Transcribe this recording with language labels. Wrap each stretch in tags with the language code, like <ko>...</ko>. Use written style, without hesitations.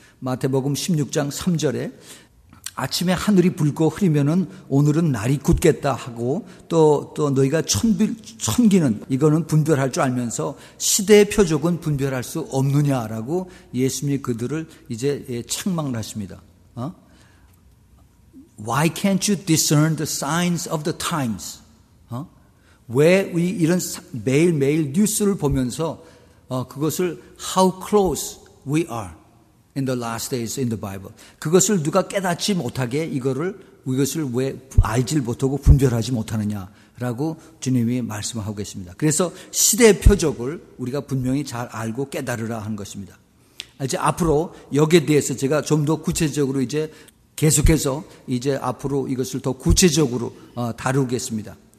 <ko>마태복음 16장 3절에 아침에 하늘이 붉고 흐리면은 오늘은 날이 굳겠다 하고 또 너희가 천기는 이거는 분별할 줄 알면서 시대의 표적은 분별할 수 없느냐라고 예수님이 그들을 이제 책망을 하십니다.</ko> <en>Why can't you discern the signs of the times?</en> <ko>왜 우리 이런 매일매일 뉴스를 보면서 그것을</ko> <en>how close we are in the last days in the Bible.</en> <ko>그것을 누가 깨닫지 못하게 이것을 왜 알지 못하고 분별하지 못하느냐라고 주님이 말씀을 하고 계십니다. 그래서 시대의 표적을 우리가 분명히 잘 알고 깨달으라 하는 것입니다. 이제 앞으로 여기에 대해서 제가 좀 더 구체적으로 이제 계속해서 이제 앞으로 이것을 더 구체적으로 다루겠습니다.</ko>